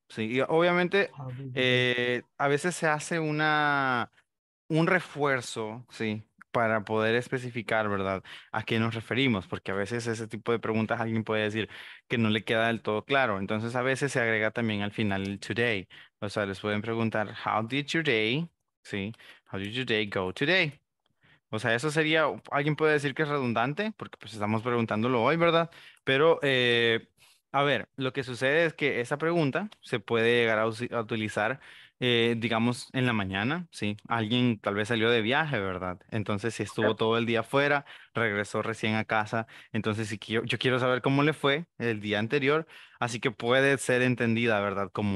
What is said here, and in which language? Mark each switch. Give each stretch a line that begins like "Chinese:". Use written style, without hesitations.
Spanish: Sí, y obviamente, a veces se hace un refuerzo, sí, para poder especificar, ¿verdad? A qué nos referimos, porque a veces ese tipo de preguntas alguien puede decir que no le queda del todo claro. Entonces, a veces se agrega también al final el today. O sea, les pueden preguntar,
English: how did your day,
Spanish: sí,
English: how did your day go today?
Spanish: O sea, eso sería, alguien puede decir que es redundante, porque pues estamos preguntándolo hoy, ¿verdad? Pero, a ver, lo que sucede es que esa pregunta se puede llegar a utilizar, digamos, en la mañana, ¿sí? Alguien tal vez salió de viaje, ¿verdad? Entonces, si estuvo todo el día afuera, regresó recién a casa, entonces si yo quiero saber cómo le fue el día anterior, así que puede ser entendida, ¿verdad?